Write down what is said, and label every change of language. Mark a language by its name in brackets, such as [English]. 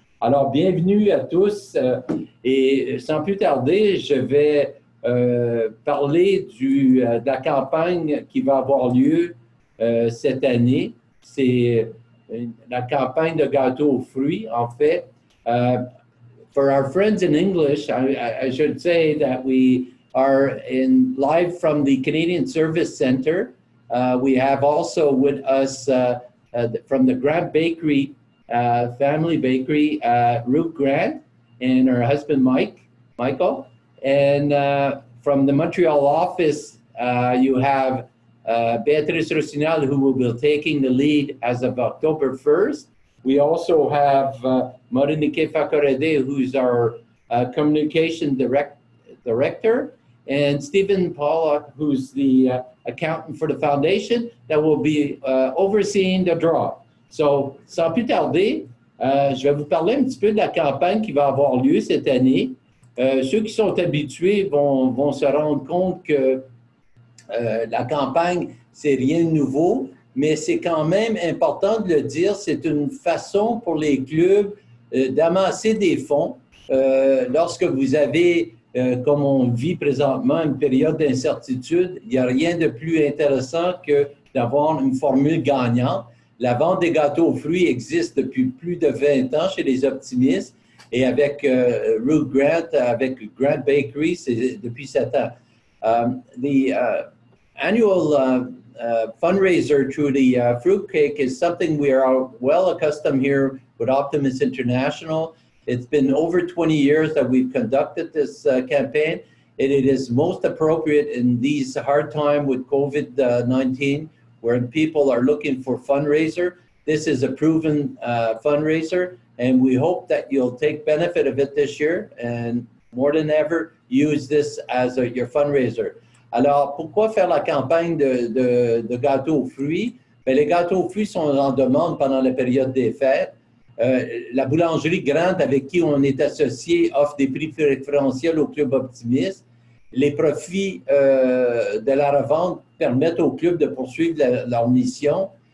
[French] Alors, bienvenue à tous. Et sans plus tarder, je vais parler de la campagne qui va avoir lieu cette année. C'est la campagne de gâteaux aux fruits, en fait. [English] For our friends in English, I should say that we are in live from the Canadian Service Center. We have also with us from the Grant Bakery, family bakery, Ruth Grant and her husband Michael. And from the Montreal office, you have Beatrice Rossignol, who will be taking the lead as of October 1st. We also have Morenike Fakorede, who's our communication director. And Stephen Pollock, who's the accountant for the foundation, that will be overseeing the draw. [French] So, sans plus tarder, je vais vous parler un petit peu de la campagne qui va avoir lieu cette année. Ceux qui sont habitués vont se rendre compte que la campagne, c'est rien de nouveau, mais c'est quand même important de le dire, c'est une façon pour les clubs d'amasser des fonds lorsque vous avez... comme on vit présentement une période d'incertitude, il n'y a rien de plus intéressant que d'avoir une formule gagnante. La vente des gâteaux aux fruits existe depuis plus de 20 ans chez les optimistes et avec Ruth Grant, avec Grant Bakery, c'est depuis 7 ans. [English] The annual fundraiser through the fruit cake is something we are well accustomed here with Optimist International. It's been over 20 years that we've conducted this campaign, and it is most appropriate in these hard times with COVID-19, where people are looking for fundraiser. This is a proven fundraiser, and we hope that you'll take benefit of it this year, and more than ever, use this as your fundraiser. [French] Alors, pourquoi faire la campagne de gâteaux aux fruits? Ben, les gâteaux aux fruits sont en demande pendant la période des fêtes. La boulangerie Grant, avec qui on est associé, offre des prix préférentiels au club optimiste. Les profits de la revente permettent au club de poursuivre leur mission.